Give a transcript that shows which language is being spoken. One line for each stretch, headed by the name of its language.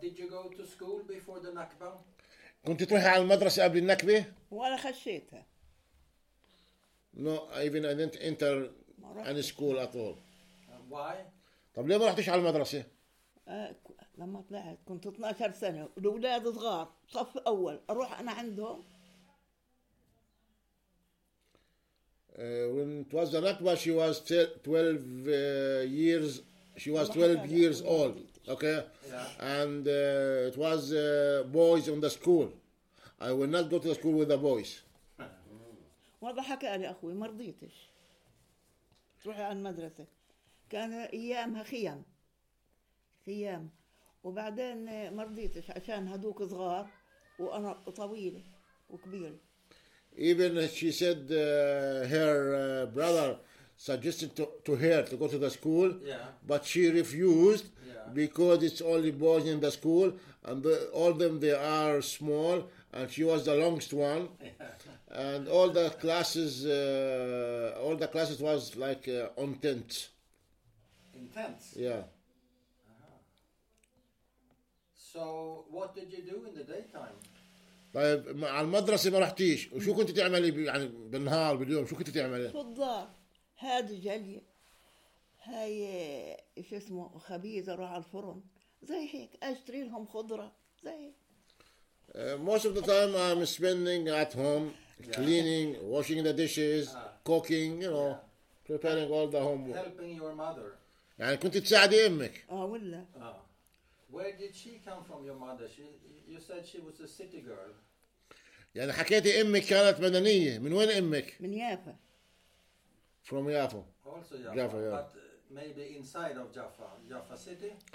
English: Did you go to school before the Nakba?
Arabic: كنت تروحي على المدرسة قبل النكبة؟ ولا خشيتها.
English: No, even I didn't enter any school at all. Why?
Arabic: طب ليه ما رحتيش على المدرسة؟ لما طلعت كنت 12 سنة الأولاد صغار صف أول أروح أنا عندهم.
English: When it was the Nakba, she was 12 years. She was 12 years old. Okay, yeah. And it was boys on the school. I will not go to the school with the boys. What the heck,
Arabic: Ali, أخوي ما رضيتش. تروح على المدرسة. كان أيامها خيام. وبعدين ما رضيتش عشان هدوك صغار وأنا طويلة وكبيرة.
English: Even she said her brother suggested to her to go to the school, yeah. But she refused because it's only boys in the school and all them they are small and she was the longest one, and all the classes was like on tents. In tents. Yeah. So what did you do in the daytime?
Arabic: طيب مع المدرسة ما رحتيش وشو كنت تعملي يعني بالنهار باليوم شو كنت تعملي؟ فضار هذا جلي هاي شو اسمه خبيزة أروح على الفرن زي هيك أشتري لهم خضرة زي
English: most of the time I'm spending at home cleaning washing the dishes cooking you know preparing all the homework helping your mother
Arabic: يعني كنت تساعدي أمك ولا
English: Where did she come from, your mother? You said she was a city girl.
Arabic: يعني حكيتي أمك كانت مدنية. من وين أمك؟ من يافا.
English: From Jaffa. Also Jaffa. Jaffa, but maybe inside of Jaffa, Jaffa city.